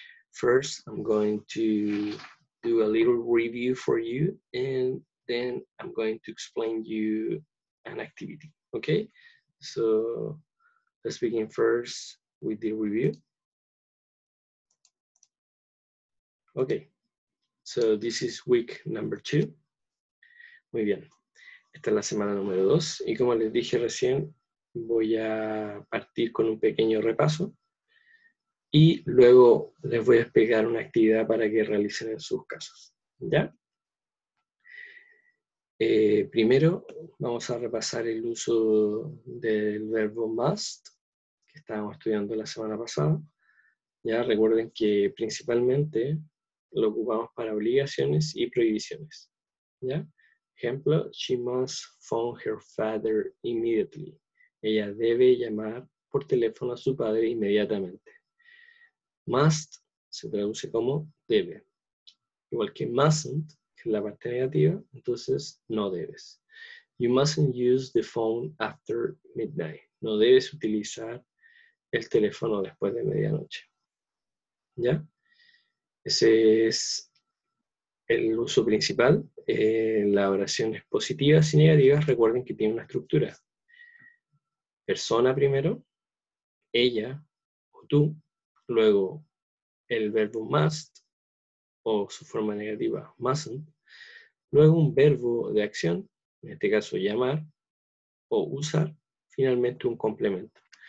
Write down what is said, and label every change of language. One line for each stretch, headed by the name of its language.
English: First, I'm going to do a little review for you, and then I'm going to explain you an activity, okay? So let's begin first with the review. Okay, so this is week number 2.
Spanish: Muy bien. Esta es la semana número 2 y como les dije recién, voy a partir con un pequeño repaso y luego les voy a explicar una actividad para que realicen en sus casas, ¿ya? Primero vamos a repasar el uso del verbo must que estábamos estudiando la semana pasada. Ya recuerden que principalmente lo ocupamos para obligaciones y prohibiciones, ¿ya?
English: Ejemplo, she must phone her father immediately.
Spanish: Ella debe llamar por teléfono a su padre inmediatamente. Must se traduce como debe. Igual que mustn't, que es la parte negativa, entonces no debes.
English: You mustn't use the phone after midnight.
Spanish: No debes utilizar el teléfono después de medianoche. ¿Ya? Ese es el uso principal. La oración es positiva y negativa. Recuerden que tiene una estructura. Persona primero, ella o tú, luego el verbo must o su forma negativa, mustn't, luego un verbo de acción, en este caso llamar o usar, finalmente un complemento.